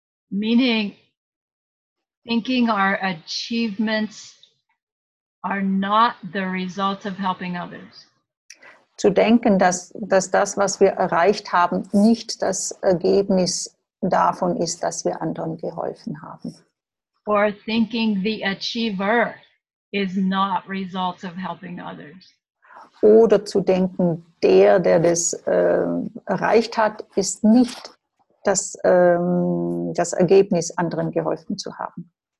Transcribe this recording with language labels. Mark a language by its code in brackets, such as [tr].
[en] Meaning, thinking our achievements are not the result of helping others. [de] Zu denken, dass das, was wir erreicht haben, nicht das Ergebnis davon ist, dass wir anderen geholfen haben. [en] Or thinking the achiever is not result of helping others. [de] Oder zu denken, der das erreicht hat, ist nicht das Ergebnis, anderen geholfen zu haben.